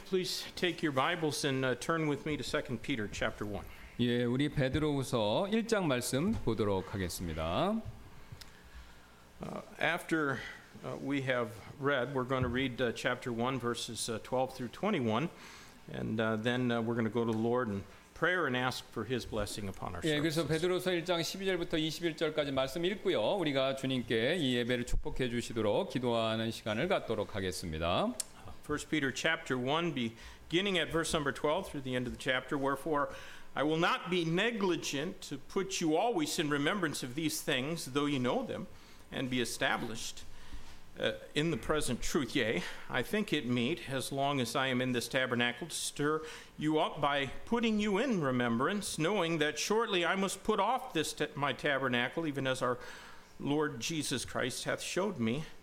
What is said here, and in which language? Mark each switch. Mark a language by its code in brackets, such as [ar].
[en] Please take your Bibles and turn with me to 2 Peter chapter 1. [ko] 예, 우리 베드로후서 1장 말씀 보도록 하겠습니다. [en] After we have read, we're going to read chapter 1 verses 12 through 21 and then we're going to go to the Lord and prayer and ask for his blessing upon our [ko] service. 예, 그래서 베드로서 1장 12절부터 21절까지 말씀 읽고요. 우리가 주님께 이 예배를 축복해 주시도록 기도하는 시간을 갖도록 하겠습니다. [en] 1 Peter chapter 1 beginning at verse number 12 through the end of the chapter. Wherefore I will not be negligent to put you always in remembrance of these things, though you know them, and be established in the present truth. Yea, I think it meet, as long as I am in this tabernacle, to stir you up by putting you in remembrance, knowing that shortly I must put off this my tabernacle, even as our Lord Jesus Christ hath showed me.